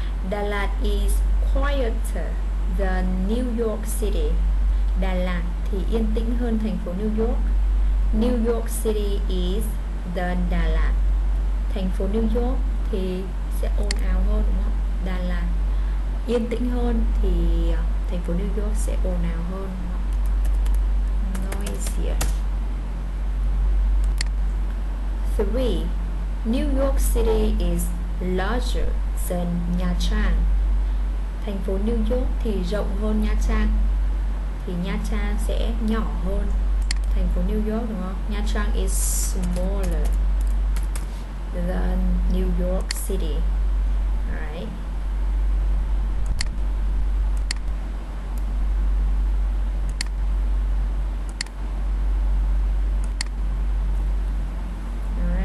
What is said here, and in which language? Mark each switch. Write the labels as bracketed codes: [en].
[en] Đà Lạt is quieter than New York City. [vi] Đà Lạt thì yên tĩnh hơn thành phố [en] New York. New York City is than Đà Lạt. [vi] Thành phố New York thì sẽ ồn ào hơn, đúng không? Đà Lạt yên tĩnh hơn thì thành phố New York sẽ ồn ào hơn. [en] Noisier. 3. New York City is larger than Nha Trang. [vi] Thành phố New York thì rộng hơn Nha Trang. Thì Nha Trang sẽ nhỏ hơn thành phố New York, đúng không? [en] Nha Trang is smaller than New York City. Alright.